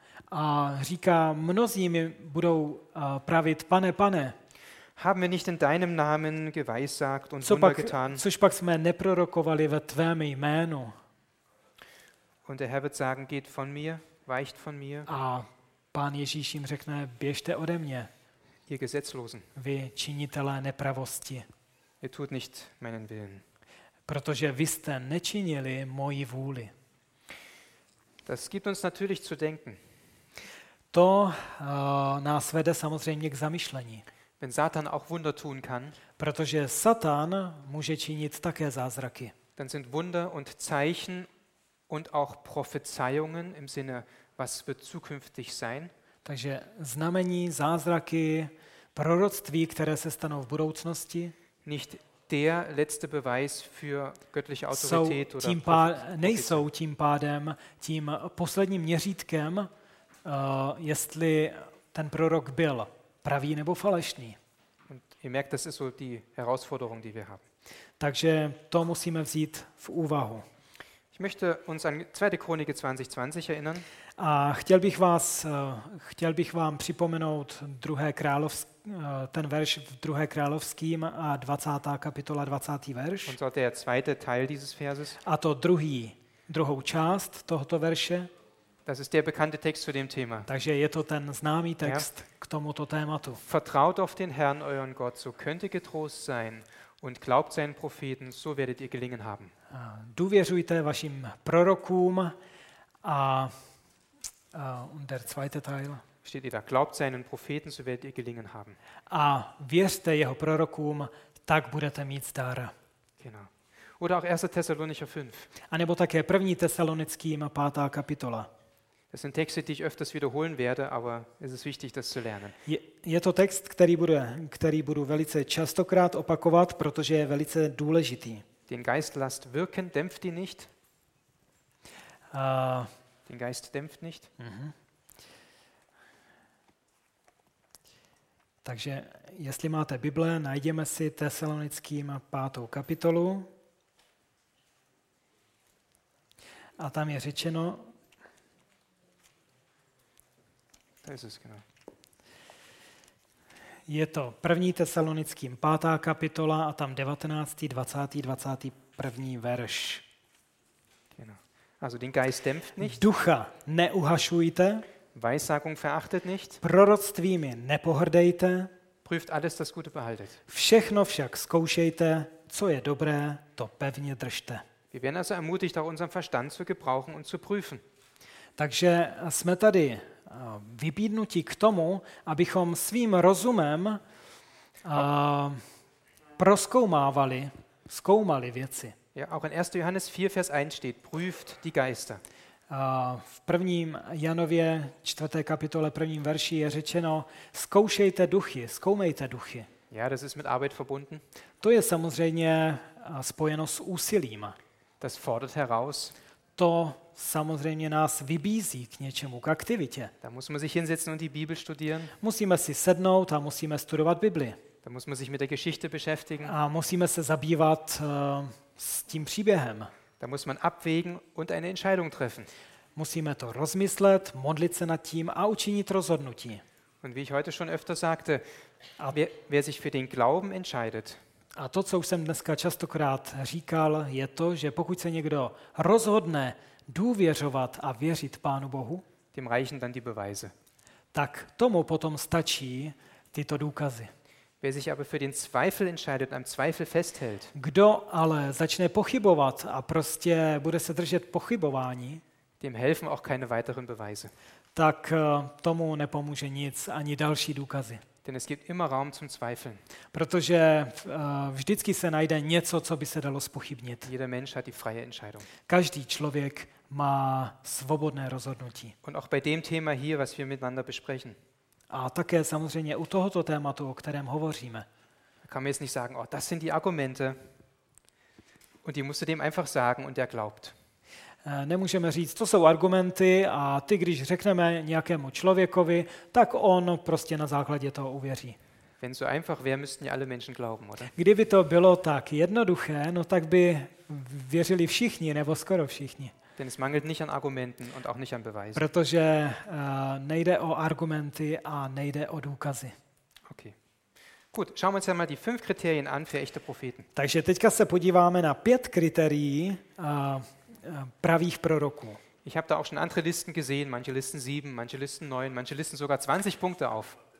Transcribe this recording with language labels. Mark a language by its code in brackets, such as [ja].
[cs] A říká, mnozí mi budou pravit, pane, pane. [de] Haben wir nicht in deinem Namen geweissagt und Wunder getan? [cs] Což pak jsme neprorokovali ve tvém jménu? [de] Und der Herr wird sagen, geht von mir, weicht von mir. [cs] A Pán Ježíš jim řekne, běžte ode mě. [de] Ihr Gesetzlosen. [cs] Vy činitelé nepravosti. [de] Ihr tut nicht meinen Willen. [cs] Protože vy jste nečinili moji vůli. [de] Das gibt uns natürlich zu denken. [cs] To nás vede samozřejmě k zamyšlení. [de] Wenn Satan auch Wunder tun kann, [cs] protože Satan může činit také zázraky. [de] Dann sind Wunder und Zeichen und auch Prophezeiungen im Sinne, was wird zukünftig sein? [cs] Takže znamení, zázraky, proroctví, které se stanou v budoucnosti, [de] nicht der letzte Beweis für göttliche Autorität oder [cs] nejsou tím pádem tím posledním měřítkem, jestli ten prorok byl pravý nebo falešný. [de] Und ihr merkt, das ist so die Herausforderung, die wir haben. [cs] Takže to musíme vzít v úvahu. [de] Ich möchte uns an 2. Chronike 20:20 erinnern. [cs] A chtěl bych vás, chtěl bych vám připomenout druhé královské, ten verš v 2. královským a 20. kapitola 20. verš. [de] Und zwar der zweite Teil dieses Verses. [cs] A to druhou část tohoto verše. [de] Das ist der bekannte Text zu dem Thema. [cs] Takže je to ten známý text k tomuto tématu. [de] Vertraut auf den Herrn euren Gott, so könnt ihr getrost sein. Und glaubt seinen Propheten, so werdet ihr gelingen haben. [cs] Důvěřujte vašim prorokům [de] und der zweite Teil. Steht ihr da? Glaubt seinen Propheten, so werdet ihr gelingen haben. [cs] A věřte jeho prorokům, tak budete mít zdar. [de] Genau. Oder auch 1. Thessalonicher 5. [cs] A nebo také 1. Thessalonickým 5. kapitola. [de] Das sind Texte, die ich öfters wiederholen werde, aber es ist wichtig, das zu lernen. [cs] Je to text, který budu velice častokrát opakovat, protože je velice důležitý. [de] Den Geist lasst wirken, dämpft ihn nicht. Den Geist dämpft nicht. [cs] Takže, jestli máte Bible, najdeme si Tesalonickým 5. kapitolu. A tam je řečeno... Je to 1. Tesalonickým 5. kapitola a tam 19. 20. 21. verš. [de] Also den Geist dämpft nicht. [cs] Ducha neuhašujte. [de] Weissagung verachtet nicht. [cs] Proroctvími nepohrdejte. [de] Prüft alles, das Gute behaltet. [cs] Všechno však zkoušejte, co je dobré, to pevně držte. [de] Wir werden also ermutigt, auch unseren Verstand zu gebrauchen und zu prüfen. [cs] Takže jsme tady vybídnutí k tomu, abychom svým rozumem prozkoumávali, zkoumali věci. [de] Ja, auch in 1. Johannes 4, Vers 1 steht, prüft die Geister. [cs] V 1. Janově 4. kapitole 1. verši je řečeno, zkoušejte duchy, zkoumejte duchy. [de] Ja, das ist mit Arbeit verbunden. [cs] To je samozřejmě spojeno s úsilím. [de] Das fordert heraus. [cs] To samozřejmě nás vybízí k něčemu, k aktivitě. [de] Da muss man sich hinsetzen und die Bibel studieren. [cs] Musíme si sednout a musíme studovat Bibli. [de] Da muss man sich mit der Geschichte beschäftigen. [cs] A musíme se zabývat s tím příběhem. [de] Da muss man abwägen und eine Entscheidung treffen. [cs] Musíme to rozmyslet, modlit se nad tím a učinit rozhodnutí. [de] Und wie ich heute schon öfter sagte, wer sich für den Glauben entscheidet, [cs] a to, co už jsem dneska častokrát říkal, je to, že pokud se někdo rozhodne důvěřovat a věřit Pánu Bohu, [de] dem reichen dann die Beweise. [cs] Tak tomu potom stačí tyto důkazy. [de] Wer sich aber für den Zweifel entscheidet, am Zweifel festhält. [cs] Kdo ale začne pochybovat a prostě bude se držet pochybování, [de] dem helfen auch keine weiteren Beweise. [cs] Tak tomu nepomůže nic, ani další důkazy. [de] Denn es gibt immer Raum zum Zweifeln. [cs] Protože vždycky se najde něco, co by se dalo zpochybnit. [de] Jeder Mensch hat die freie Entscheidung. [cs] Každý člověk má svobodné rozhodnutí. [de] Und auch bei dem Thema hier, was wir miteinander besprechen. [cs] A také samozřejmě u tohoto tématu, o kterém hovoříme. [de] Kann man jetzt nicht sagen, oh, das sind die Argumente. Und die musst du dem einfach sagen und er glaubt. [cs] Nemůžeme říct, to jsou argumenty a ty, když řekneme nějakému člověkovi, tak on prostě na základě toho uvěří. [de] Wenn so einfach wäre, müssten alle Menschen glauben, oder? [cs] Kdyby to bylo tak jednoduché, no tak by věřili všichni, nebo skoro všichni. [de] Denn es mangelt nicht an Argumenten und auch nicht an Beweisen. [cs] Protože nejde o argumenty a nejde o důkazy. Okay. [de] Gut, schauen wir uns ja mal die 5 Kriterien an für echte Propheten. [cs] Takže teďka se podíváme na 5 kritérií pravých proroků. [de] Ich habe da auch schon andere Listen gesehen, manche Listen 7, manche Listen 9, manche Listen sogar 20 Punkte auf.